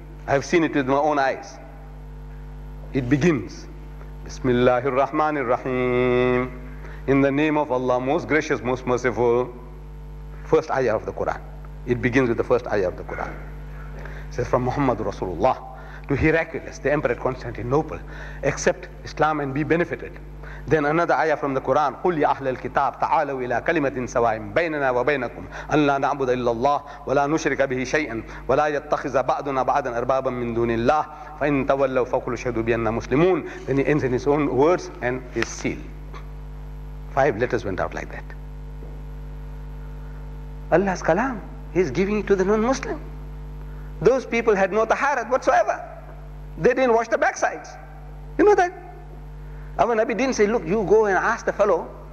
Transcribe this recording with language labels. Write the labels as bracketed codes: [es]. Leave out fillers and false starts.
[en] I've seen it with my own eyes. It begins, [ar] Bismillahir Rahmanir Rahim. [en] In the name of Allah, most gracious, most merciful. First ayah of the Quran. It begins with the first ayah of the Quran. It says, from Muhammad Rasulullah to Heraclius, the Emperor of Constantinople, accept Islam and be benefited. [ar] Then another ayah from the Quran, قُلْ يَا أَحْلَ الْكِتَابِ تَعَالَوْا إِلَىٰ كَلِمَةٍ سَوَائِمْ بَيْنَنَا وَبَيْنَكُمْ أَنْ لَا نَعْبُدَ إِلَّا اللَّهِ وَلَا نُشْرِكَ بِهِ شَيْئًا وَلَا يَتَّخِذَ بَعْدُنَا بَعْدًا أَرْبَابًا مِنْ دُونِ اللَّهِ فَإِنْ تَوَلَّوْا فَقُلُوا شَهْدُوا بِأَنَّا مُسْلِمُونَ. [en] Then he ends in his own words and his seal. 5 letters went out like that. Allah's kalam, he's giving it to the non-Muslim. Those people had no taharat whatsoever. They didn't wash the backsides. You know that? Our Nabi didn't say, look, you go and ask the fellow.